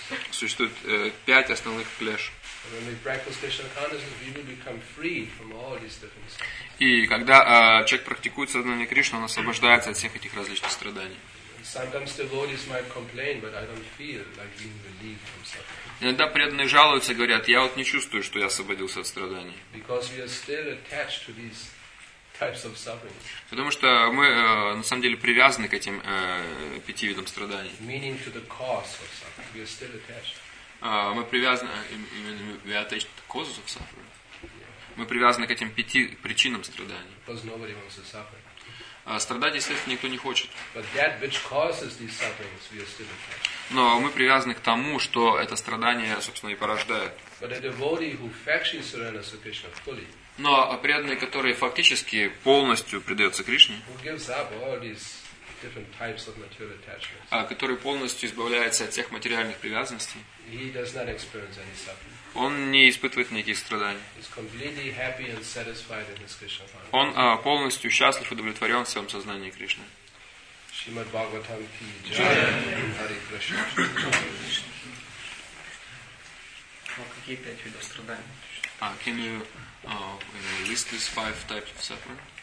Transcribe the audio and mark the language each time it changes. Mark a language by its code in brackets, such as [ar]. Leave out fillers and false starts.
[ru] Существует пять основных клеш. [en] When we practice Krishna consciousness, we will become free from all these different things. [ru] И когда человек практикует сознание Кришны, он освобождается от всех этих различных страданий. [en] Sometimes devotees might complain, but I don't feel like being relieved from suffering. [ru] Иногда преданные жалуются, говорят, я вот не чувствую, что я освободился от страданий. [en] Because we are still attached to these types of suffering. [ru] Потому что мы на самом деле привязаны к этим пяти видам страданий. [en] Meaning to the cause of suffering, we are still attached. [ru] Мы привязаны именно [en] we are attached to causes of suffering. [ru] Мы привязаны к этим пяти причинам страданий. [en] Because nobody wants to suffer. [ru] Страдать, естественно, никто не хочет. [en] But that which causes these sufferings, we are still attached. [ru] Но мы привязаны к тому, что это страдание, собственно, и порождает. [en] But a devotee who factually surrenders to Krishna fully. [ru] Но преданный, который фактически полностью предается Кришне, [en] who gives up all these different types of material attachments. [ru] Который полностью избавляется от всех материальных привязанностей. [en] He does not experience any suffering. [ru] Он не испытывает никаких страданий. [en] He's completely happy and satisfied in his Krishna consciousness. [ru] Он полностью счастлив и удовлетворен в своем сознании Кришны. Шримад Бхагаватам ки джай. Хари Кришна. Какие пять видов страданий? [en] Can you, list these five types of suffering?